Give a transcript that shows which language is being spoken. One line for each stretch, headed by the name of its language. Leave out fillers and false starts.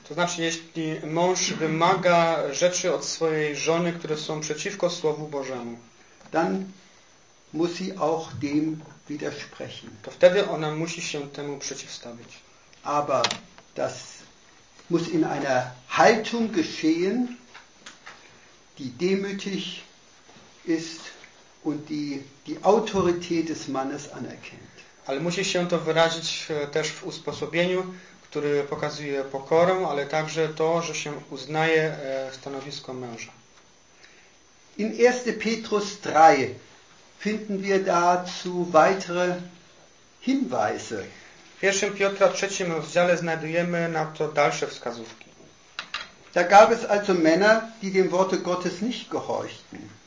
Polish: To znaczy, jeśli mąż wymaga rzeczy od swojej żony, które są przeciwko Słowu Bożemu.
German: Dann muss sie auch dem widersprechen.
Polish: To wtedy ona musi się temu przeciwstawić.
German: Aber das muss in einer Haltung geschehen, die demütig ist und die Autorität des Mannes anerkennt.
Polish: Ale musi się to wyrazić też w usposobieniu, który pokazuje pokorę, ale także to, że się uznaje stanowisko męża.
German: In 1. Petrus 3 finden wir dazu weitere Hinweise.
Polish: W 1. Piotra 3 rozdziale znajdujemy na to dalsze wskazówki.
German: Da gab es also Männer, die dem Worte Gottes nicht gehorchten.